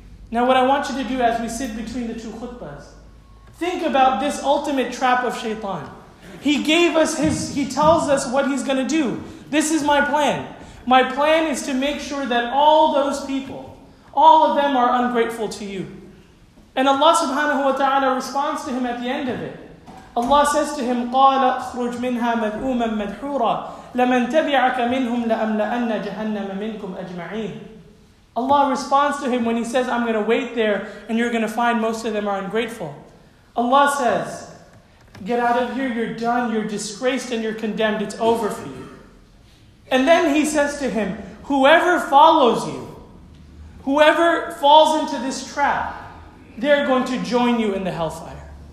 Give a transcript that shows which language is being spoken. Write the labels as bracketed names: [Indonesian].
[English] Now what I want you to do as we sit between the two khutbahs, think about this ultimate trap of Shaytan. He tells us what he's going to do. This is my plan. My plan is to make sure that all those people, all of them are ungrateful to you. And Allah subhanahu wa ta'ala responds to him at the end of it. Allah says to him, [Arabic] قَالَ اخْرُجْ مِنْهَا مَذْءُومًا مَدْحُورًا لَمَنْ تَبِعَكَ مِنْهُمْ لَأَمْلَأَنَّ جَهَنَّمَ مِنْكُمْ أَجْمَعِينَ. [English] Allah responds to him when he says, I'm going to wait there and you're going to find most of them are ungrateful. Allah says, get out of here, you're done, you're disgraced and you're condemned, it's over for you. And then he says to him, whoever follows you, whoever falls into this trap, they're going to join you in the hellfire.